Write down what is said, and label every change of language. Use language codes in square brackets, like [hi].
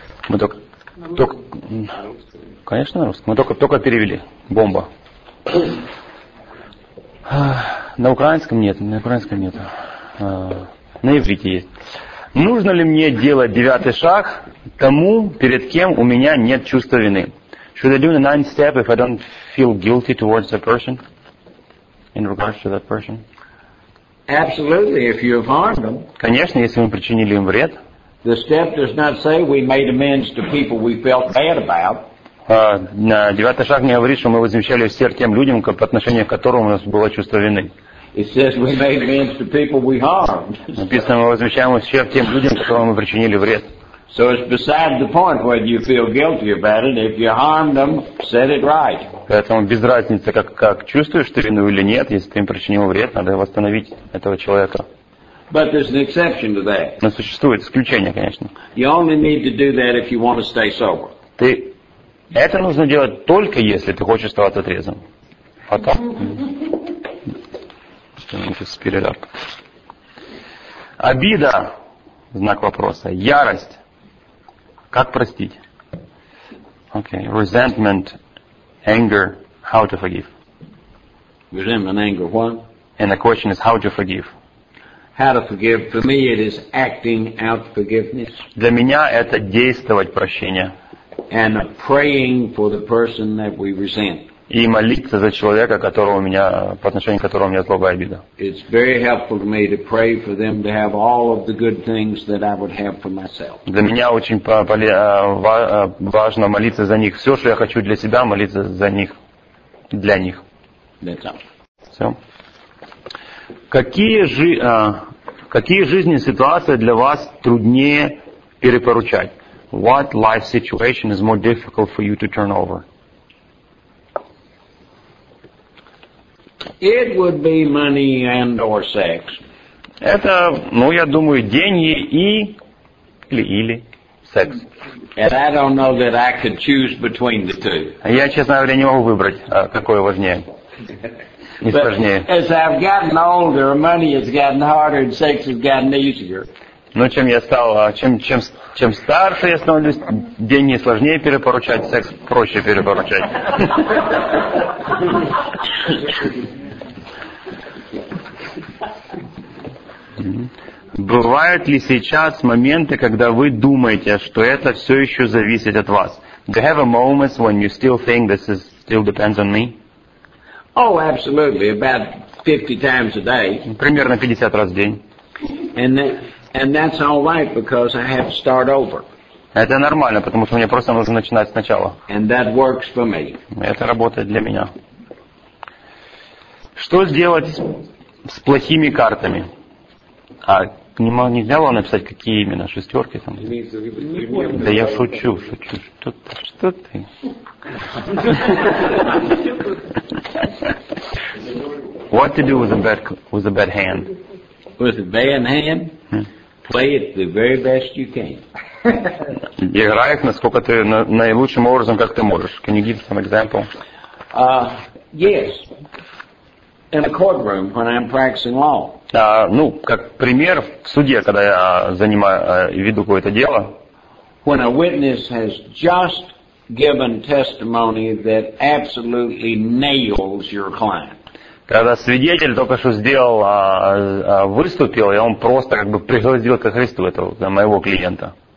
[ru] Мы только конечно, на русском. Мы только перевели. Бомба. На украинском нет, на украинском нет. На иврите есть. Нужно ли мне делать 9-й шаг тому, перед кем у меня нет чувства вины? [en] Should I do the 9th step if I don't feel guilty towards the person? In regards to that person? Absolutely, if you have harmed them. [ru] Конечно, если мы причинили им вред. [en] The step does not say we made amends to people we felt bad about. [ru] Девятый шаг не говорит, что мы возмещали ущерб тем людям, по отношению к которым у нас было чувство вины. [en] It says we made amends to people we harmed. [ru] Написано, мы возмещаем ущерб тем людям, которым мы причинили вред. [en] So it's beside the point whether you feel guilty about it. If you harmed them, set it right. [ru] Поэтому без разницы, как чувствуешь ты вину или нет, если ты им причинил вред, надо восстановить этого человека. [en] But there's an exception to that. [ru] Но существует исключение, конечно. [en] You only need to do that if you want to stay sober. [ru] Это нужно делать только если ты хочешь оставаться трезвым. А так? [en] Speed it up. [ru] Обида, знак вопроса, ярость, как простить? [en] Okay, resentment. Anger, how to forgive? Resentment, anger, what? And the question is how to forgive. How to forgive? For me, it is acting out forgiveness. [ru] Для меня это действовать прощение. [en] And praying for the person that we resent. [ru] и молиться за человека, которого у меня, по отношению к которому у меня злоба и обида. [en] It's very helpful to me to pray for them to have all of the good things that I would have for myself. [ru] Для меня очень важно молиться за них. Все, что я хочу для себя, молиться за них, для них. [en] That's all. [ru] Все. Какие жизненные ситуации для вас труднее перепоручать? [en] What life situation is more difficult for you to turn over? It would be money and or sex. [ru] Это, ну, я думаю, деньги и или секс. [en] And I don't know that I could choose between the two. [ru] Я, честно говоря, не могу выбрать, какое важнее. [en] As I've gotten older, money has gotten harder and sex has gotten easier. [ru] Но чем я стал, чем старше я становлюсь, деньги сложнее перепоручать, секс проще перепоручать. Бывают ли сейчас моменты, когда вы думаете, что это все еще зависит от вас? [en] Do you have a moment when you still think this is still depends on me? Oh, absolutely. About 50 times a day. [ru] Примерно 50 раз в день. [en] And that's all right because I have to start over. [ru] Это нормально, потому что мне просто нужно начинать сначала. [en] And that works for me. [ru] Это работает для меня. Что сделать с плохими картами? А нельзя вам написать, какие именно шестерки там? Да я шучу. Что ты? [en] What to do with a bad hand? With a bad hand? Play it the very best you can. [ru] Играй их насколько ты наилучшим образом, как ты можешь. [en] Can you give some example? Yes. In a courtroom when I'm practicing law. [ru] Ну, как пример, в суде, когда я занимаю веду какое-то дело. [en] When a witness has just given testimony that absolutely nails your client. [ru] Когда свидетель только что сделал, выступил, и он просто как бы пригвоздил ко Христу этого моего клиента.